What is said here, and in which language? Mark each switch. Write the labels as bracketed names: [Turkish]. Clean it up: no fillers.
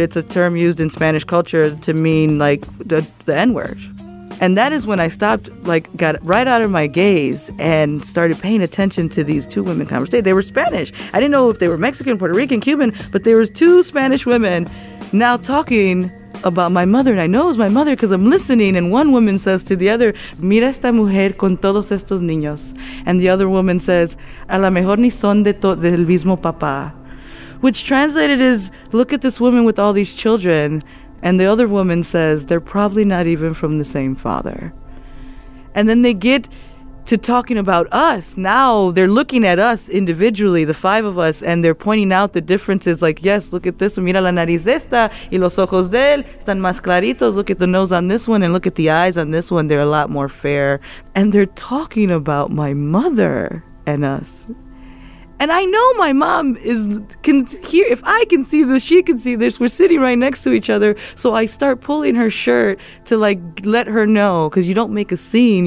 [English] It's a term used in Spanish culture to mean, like, the N-word. And that is when I stopped, like, got right out of my gaze and started paying attention to these two women conversation. They were Spanish. I didn't know if they were Mexican, Puerto Rican, Cuban, but there was two Spanish women now talking about my mother. And I know it was my mother because I'm listening. And one woman says to the other, [Spanish] mira esta mujer con todos estos niños. [English] And the other woman says, [Spanish] a lo mejor ni son del mismo papá. [English] Which translated is, look at this woman with all these children. And the other woman says, they're probably not even from the same father. And then they get to talking about us. Now they're looking at us individually, the five of us, and they're pointing out the differences. Like, yes, look at this one. [Spanish] Mira la nariz de esta y los ojos de él están más claritos. [English] Look at the nose on this one and look at the eyes on this one. They're a lot more fair. And they're talking about my mother and us. And I know my mom is can hear, if I can see this, she can see this. We're sitting right next to each other. So I start pulling her shirt to, like, let her know, because you don't make a scene.